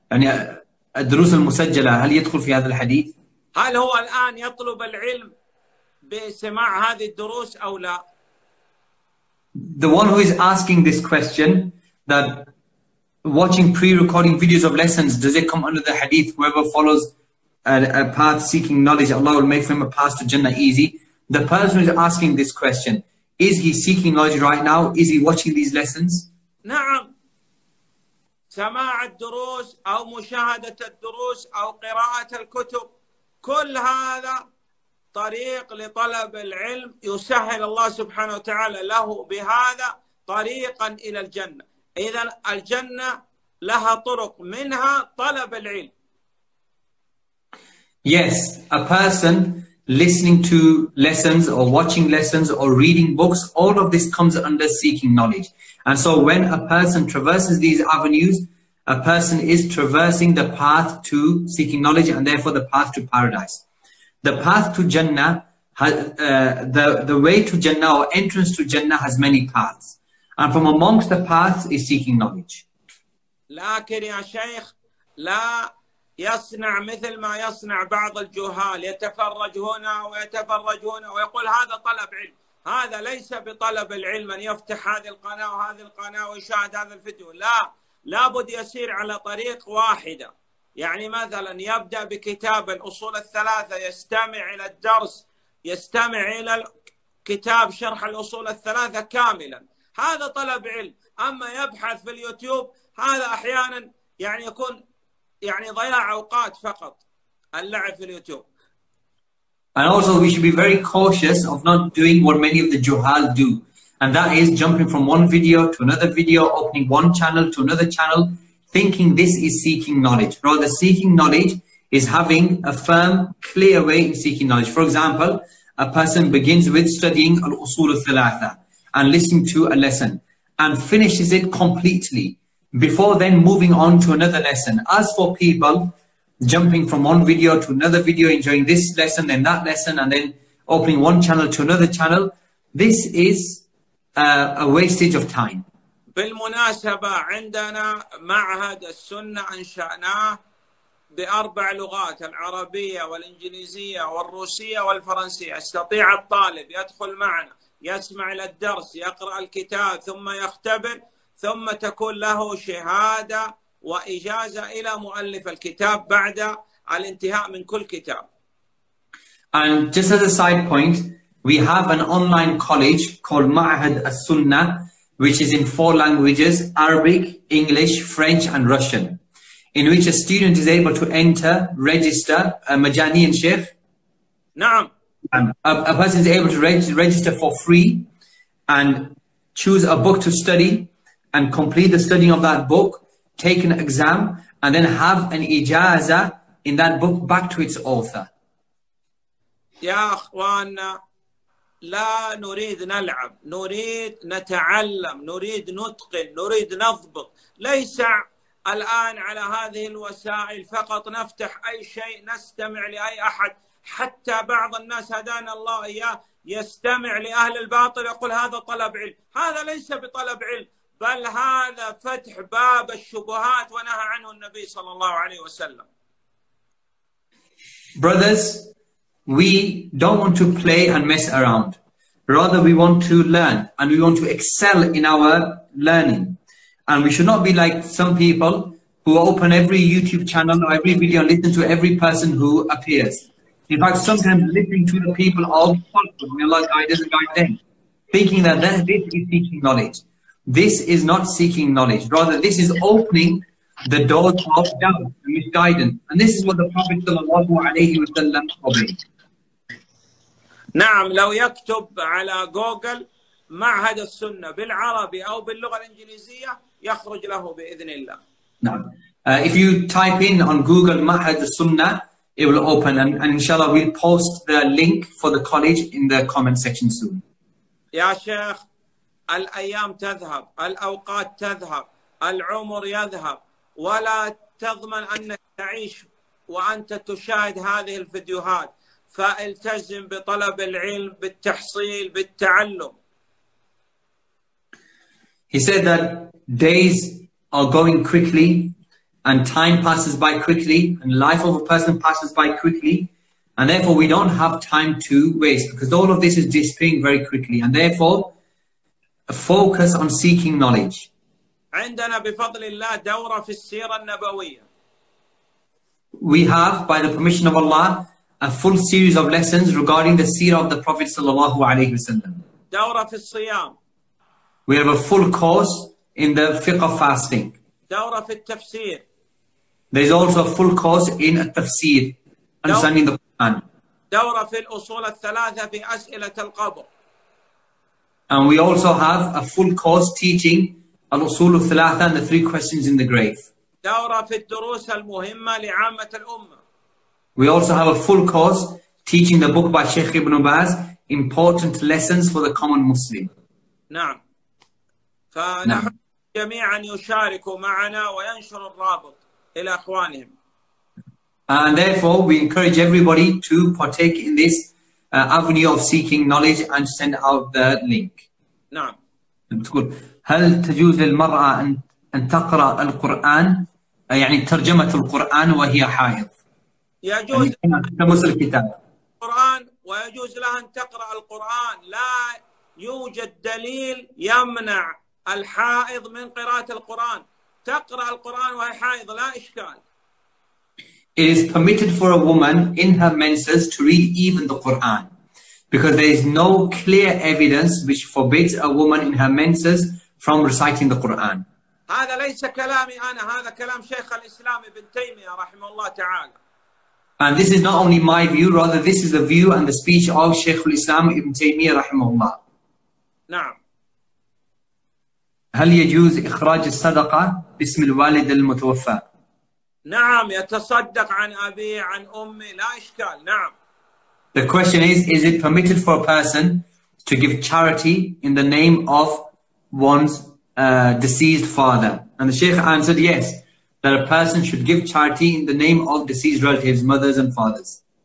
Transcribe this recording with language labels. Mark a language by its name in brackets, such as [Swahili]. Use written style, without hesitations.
[Arabic] يعني الدروس المسجلة هل يدخل في هذا الحديث؟ هل هو الآن يطلب العلم بسماع هذه الدروس أو لا؟ [English] The one who is asking this question, that watching pre-recording videos of lessons, does it come under the hadith, whoever follows a path seeking knowledge, Allah will make for him a path to Jannah easy? The person who is asking this question, is he seeking knowledge right now? Is he watching these lessons? [Arabic] نعم. سماع الدروس أو مشاهدة الدروس أو قراءة الكتب كل هذا طريق لطلب العلم يسهل الله سبحانه وتعالى له بهذا طريقا إلى الجنة. إذا الجنة لها طرق منها طلب العلم. [English] Yes, a person listening to lessons or watching lessons or reading books, all of this comes under seeking knowledge. And so when a person traverses these avenues, a person is traversing the path to seeking knowledge and therefore the path to paradise. The path to Jannah, the way to Jannah or entrance to Jannah has many paths. And from amongst the paths is seeking knowledge. [Arabic] لكن يا شيخ لا يصنع مثل ما يصنع بعض الجهال يتفرج هنا ويتفرج هنا ويقول هذا طلب علم. هذا ليس بطلب العلم أن يفتح هذه القناة وهذه القناة ويشاهد هذا الفيديو. لا لابد يسير على طريق واحدة. يعني مثلا يبدأ بكتاب الأصول الثلاثة يستمع إلى الدرس يستمع إلى كتاب شرح الأصول الثلاثة كاملا هذا طلب علم. أما يبحث في اليوتيوب هذا أحيانا يعني يكون يعني ضياع أوقات فقط اللعب في اليوتيوب. [English] And also we should be very cautious of not doing what many of the Juhal do. And that is jumping from one video to another video, opening one channel to another channel, thinking this is seeking knowledge. Rather, seeking knowledge is having a firm, clear way in seeking knowledge. For example, a person begins with studying al-usul al-thalatha and listening to a lesson and finishes it completely before then moving on to another lesson. As for people jumping from one video to another video, enjoying this lesson, then that lesson, and then opening one channel to another channel, this is a wastage of time. [Arabic] بالمناسبة عندنا معهد السنة أنشأناه بأربع لغات العربية والإنجليزية والروسية والفرنسية. استطيع الطالب يدخل معنا يسمع للدرس يقرأ الكتاب ثم يختبر ثم تكون له شهادة وإجازة إلى مؤلف الكتاب بعد الانتهاء من كل كتاب. [English] And just as a side point, we have an online college called معهد السنة, which is in four languages, Arabic, English, French, and Russian, in which a student is able to enter, register, a Majanian Sheikh. [Arabic] Naam. [English] A person is able to register for free and choose a book to study and complete the studying of that book, take an exam, and then have an ijaza in that book back to its author. [Arabic] Ya akhwana. لا نريد نلعب نريد نتعلم نريد نتقن نريد نضبط ليس الآن على هذه الوسائل فقط نفتح أي شيء نستمع لأي أحد حتى بعض الناس هدانا الله إياه يستمع لأهل الباطل يقول هذا طلب علم هذا ليس بطلب علم بل هذا فتح باب الشبهات ونهى عنه النبي صلى الله عليه وسلم. [English] Brothers, we don't want to play and mess around. Rather, we want to learn and we want to excel in our learning. And we should not be like some people who open every YouTube channel or every video and listen to every person who appears. In fact, sometimes listening to the people of Allah, may Allah guide us and guide them, thinking that this is seeking knowledge. This is not seeking knowledge. Rather, this is opening the doors of doubt and misguidance. And this is what the Prophet sallallahu alayhi wa sallam forbade. [Arabic] نعم لو يكتب على جوجل معهد السنة بالعربي أو باللغة الإنجليزية يخرج له بإذن الله. نعم. [English] If you type in on Google معهد السنة, it will open and inshallah we'll post the link for the college in the comment section soon. [Arabic] يا شيخ الأيام تذهب الأوقات تذهب العمر يذهب ولا تضمن أنك تعيش وأنت تشاهد هذه الفيديوهات. فالتزم بطلب العلم بالتحصيل بالتعلم. [English] He said that days are going quickly and time passes by quickly and life of a person passes by quickly and therefore we don't have time to waste because all of this is disappearing very quickly and therefore a focus on seeking knowledge. [Arabic] عندنا بفضل الله دورة في السيرة النبوية. [English] We have, by the permission of Allah, a full series of lessons regarding the seerah of the Prophet sallallahu alaihi wasallam. [Arabic] Dawra fi al-siyam. [English] We have a full course in the fiqh of fasting. [Arabic] Dawra fi al-tafsir. [English] There is also a full course in al-tafsir, understanding the Quran. [Arabic] Dawra fi al-usul al-thalatha fi as'ilat al-qabr. [English] And we also have a full course teaching al-usul al-thalatha and the three questions in the grave. [Arabic] Dawra fi al-durus al-muhimma li'ammat al-umma. [English] We also have a full course teaching the book by Sheikh Ibn Baz, important lessons for the common Muslim. [Arabic] نعم. فنحن جميعا يشاركوا معنا وينشر الرابط إلى أخوانهم. [English] And therefore, we encourage everybody to partake in this avenue of seeking knowledge and send out the link. [Arabic] نعم. تقول هل تجوز للمرأة أن تقرأ القرآن يعني ترجمة القرآن وهي حائض؟ يجوز الكتاب القرآن ويجوز لها أن تقرأ القرآن لا يوجد دليل يمنع الحائض من قراءة القرآن تقرأ القرآن وهي حائض لا إشكال. [English] It is permitted for a woman in her menses to read even the Quran because there is no clear evidence which forbids a woman in her menses from reciting the Quran. [Arabic] هذا ليس كلامي أنا هذا كلام شيخ الإسلام ابن تيمية رحمه الله تعالى. [English] And this is not only my view, rather this is the view and the speech of Shaykh al-Islam Ibn Taymiyyah rahimahullah. [Arabic] نعم. هل يجوز إخراج الصدقة باسم الوالد المتوفى؟ نعم يتصدق عن أبيه عن أمي لا إشكال نعم. [English] The question is it permitted for a person to give charity in the name of one's deceased father? And the Sheikh answered yes, that a person should give charity in the name of deceased relatives, mothers and fathers.